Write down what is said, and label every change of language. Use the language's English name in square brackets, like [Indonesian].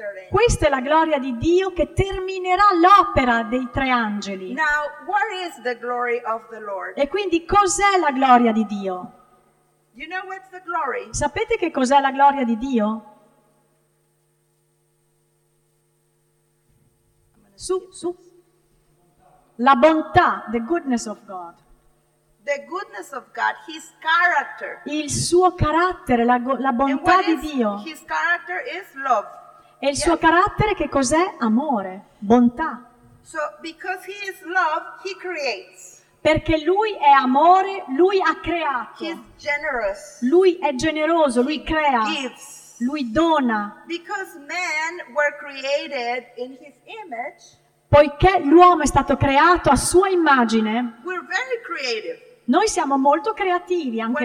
[Italian] Questa è la gloria di Dio che terminerà l'opera dei tre angeli. [English] Now, what is the glory of the Lord? [Italian] E quindi cos'è la gloria di Dio? [English] You know what's the glory? [Italian] Sapete che cos'è la gloria di Dio? Su, su. La bontà, [English] the goodness of God. The goodness of God, His character. [Italian] Il suo carattere, la bontà [English] and what [Italian] di [English] is, [Italian] Dio. [English] His character is love. E yes. [Italian] Il suo carattere che cos'è? Amore, bontà. [English] So because He is love, He creates. [Italian] Perché Lui è amore, Lui ha creato. [English] He's generous. [Italian] Lui è generoso, Lui [English] he [Italian] crea. [English] Gives. [Italian] Lui dona. [English] Because men were created in His image. [Italian] Poiché l'uomo è stato creato a sua immagine, [English] we're very creative. [Italian] Noi siamo molto creativi anche